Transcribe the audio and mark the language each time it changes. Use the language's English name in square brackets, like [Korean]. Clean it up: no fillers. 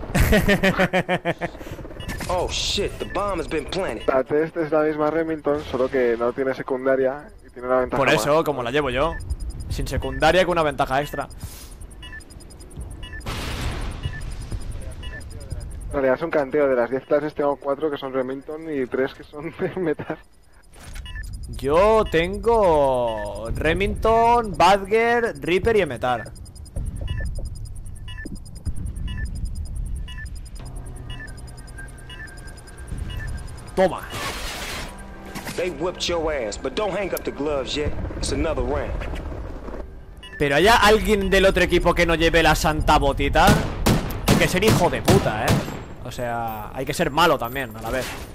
[Spanish] Secas, vale, secas. [English] Oh shit, the bomb has been planted. [Spanish] La test es la misma Remington, solo que no tiene secundaria y tiene una ventaja. Por eso, más. Como la llevo yo. Sin secundaria con una ventaja extra. En realidad es un canteo. De las 10 clases tengo 4 que son Remington y 3 que son de metal. Yo tengo Remington, Badger, Reaper y metal. Toma. [English] They whipped your ass, but don't hang up the gloves yet. It's another round. [Spanish] Pero haya alguien del otro equipo que no lleve la santa botita. Hay que ser hijo de puta, eh. O sea, hay que ser malo también a la vez.